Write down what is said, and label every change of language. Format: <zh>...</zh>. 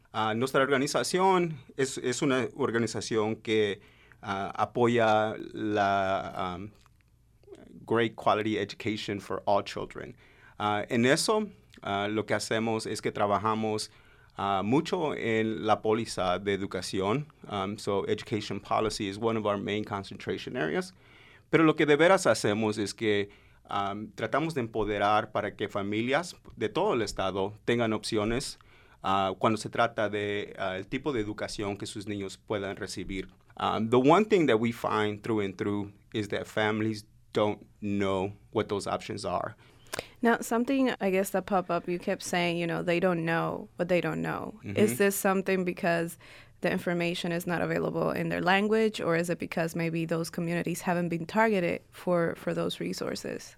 <es>Nuestra organización es una organización que apoya la</es> <en>great quality education for all children.</en> <es>En eso, lo que hacemos es que trabajamos mucho en la póliza de educación.</es> <en>So education policy is one of our main concentration areas.</en> <es>Pero lo que de veras hacemos es que tratamos de empoderar para que familias de todo el estado tengan opciones cuando se trata de el tipo de educación que sus niños puedan recibir.</es> <en>The one thing that we find through and through is that families don't know what those options are. Now, something, I guess, that popped up, you kept saying, you know, they don't know what they don't know. Mm-hmm. Is this something because the information is not available in their language, or is it because maybe those communities haven't been targeted for those resources?</en>